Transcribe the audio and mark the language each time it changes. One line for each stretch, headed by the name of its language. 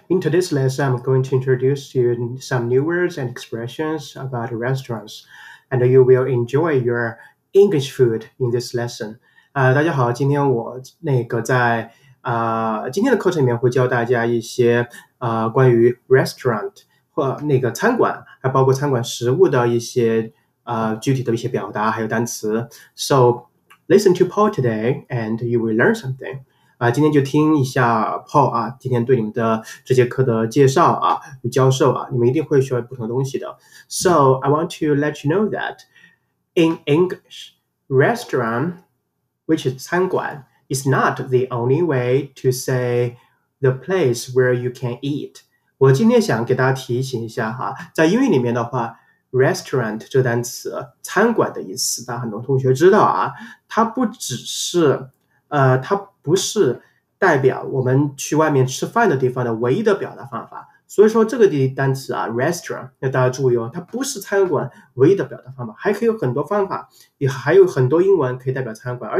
English: In today's lesson, I'm going to introduce you some new words and expressions about restaurants, and you will enjoy your English food in this lesson.
Chinese: 大家好，今天我那个在今天的课程里面会教大家一些关于 restaurant 或那个餐馆，还包括餐馆食物的一些具体的一些表达还有单词。
English: So listen to Paul today, and you will learn something.
Chinese: 今天就听一下 Paul 啊，今天对你们的这节课的介绍啊与教授啊，你们一定会学不同的东西的。
English: So I want to let you know that in English, restaurant, which is 餐馆, is not the only way to say the place where you can eat.
Chinese: 我今天想给大家提醒一下哈，在英语里面的话，restaurant 这单词，餐馆的意思，大家很多同学知道啊，它不只是它不是代表我们去外面吃饭的地方的唯一的表达方法，所以说这个单词啊 restaurant 要大家注意哦，它不是餐馆唯一的表达方法，还可以有很多方法，也还有很多英文可以代表餐馆。